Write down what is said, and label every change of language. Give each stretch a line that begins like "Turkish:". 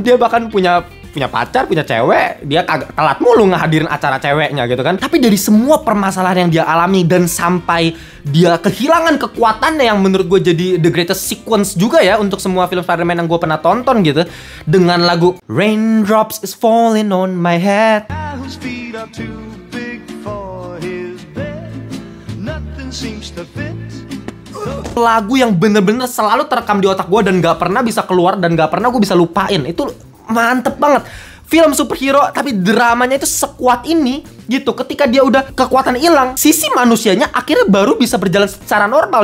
Indonesian: Dia bahkan punya pacar, punya cewek. Dia agak telat mulu ngehadirin acara ceweknya gitu kan. Tapi dari semua permasalahan yang dia alami dan sampai dia kehilangan kekuatannya, yang menurut gue jadi
English: the greatest sequence
Indonesian: juga ya untuk semua film Spider-Man yang gue pernah tonton gitu, dengan lagu Raindrops is falling on my head.
English: His feet are too big for his bed. Nothing seems to fit.
Indonesian: Lagu yang benar-benar selalu terekam di otak gue dan gak pernah bisa keluar dan gak pernah gue bisa lupain. Itu mantep banget. Film superhero tapi dramanya itu sekuat ini gitu. Ketika dia udah kekuatan hilang, sisi manusianya akhirnya baru bisa berjalan secara normal.